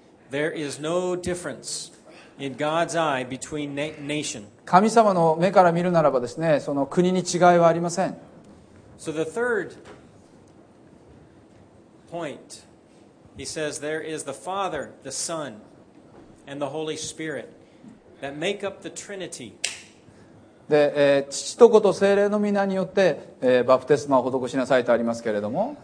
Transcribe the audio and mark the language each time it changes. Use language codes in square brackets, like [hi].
[en] There is no difference in God's eye between nation. [ja] 神様の目から見るならばですね、その国に違いはありません。 [en] So the third point, he says there is the Father, the Son, and the Holy Spirit that make up the Trinity. [ja] で、父と子と聖霊の御名によって、バプテスマを施しなさいとありますけれども。